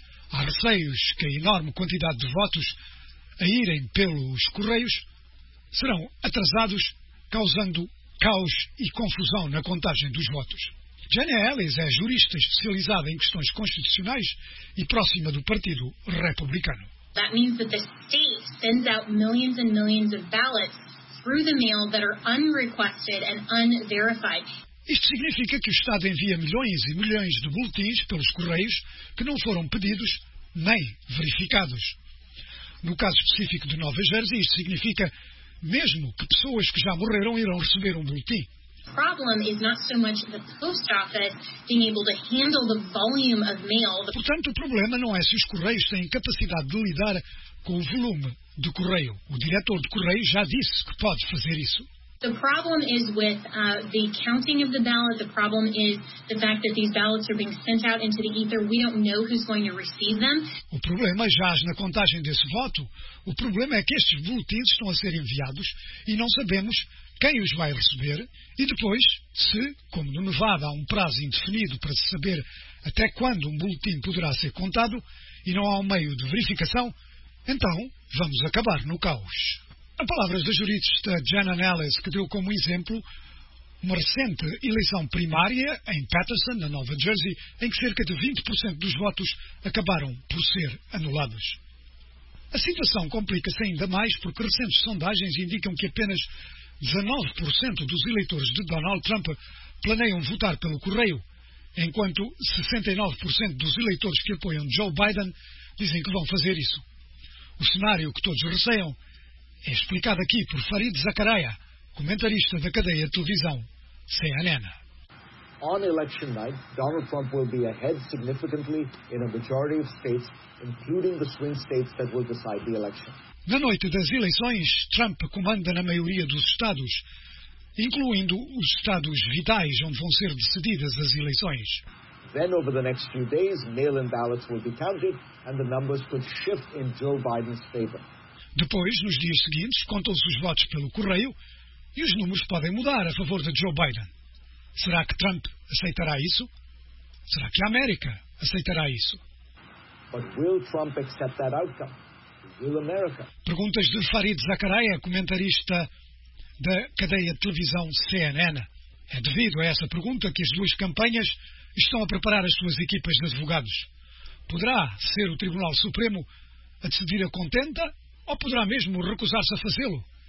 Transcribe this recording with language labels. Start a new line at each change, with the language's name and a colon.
Portuguese: Há receios que a enorme quantidade de votos a irem pelos correios serão atrasados, causando caos e confusão na contagem dos votos. Jenna Ellis é jurista especializada em questões constitucionais e próxima do Partido Republicano.
English: That means that the state sends out millions and millions of ballots through the mail that are unrequested and unverified.
Portuguese: Isto significa que o Estado envia milhões e milhões de boletins pelos correios que não foram pedidos nem verificados. No caso específico de Nova Jersey, isto significa mesmo que pessoas que já morreram irão receber um boletim.
English: The problem is not so much the post office being able to handle the volume of mail.
Portuguese: Portanto, o problema não é se os correios têm capacidade de lidar com o volume de correio. O diretor de correio já disse que pode fazer isso.
English: The problem is with the counting of the ballot. The problem is the fact that these ballots are being sent out into the ether. We don't know who's going to receive them.
Portuguese: O problema já é na contagem desse voto. O problema é que estes boletins estão a ser enviados e não sabemos quem os vai receber e depois se, como no Nevada há um prazo indefinido para se saber até quando um boletim poderá ser contado e não há um meio de verificação, então vamos acabar no caos. A palavras da jurista Janan Ellis, que deu como exemplo uma recente eleição primária em Paterson, na Nova Jersey, em que cerca de 20% dos votos acabaram por ser anulados. A situação complica-se ainda mais porque recentes sondagens indicam que apenas 19% dos eleitores de Donald Trump planeiam votar pelo correio, enquanto 69% dos eleitores que apoiam Joe Biden dizem que vão fazer isso. O cenário que todos receiam é explicado aqui por Farid Zakaria, comentarista da cadeia de televisão CNN.
English: On election night, Donald Trump will be ahead significantly in a majority of states, including the swing states that will decide the election.
Portuguese: Na noite das eleições, Trump comanda na maioria dos estados, incluindo os estados vitais onde vão ser decididas as eleições.
English: Then over the next few days, mail-in ballots will be counted and the numbers could shift in Joe Biden's favor.
Portuguese: Depois, nos dias seguintes, contam-se os votos pelo correio e os números podem mudar a favor de Joe Biden. Será que Trump aceitará isso? Será que a América aceitará isso?
English: But will Trump accept that outcome?
Portuguese: Perguntas de Farid Zakaria, comentarista da cadeia de televisão CNN. É devido a essa pergunta que as duas campanhas estão a preparar as suas equipas de advogados. Poderá ser o Tribunal Supremo a decidir a contenda ou poderá mesmo recusar-se a fazê-lo?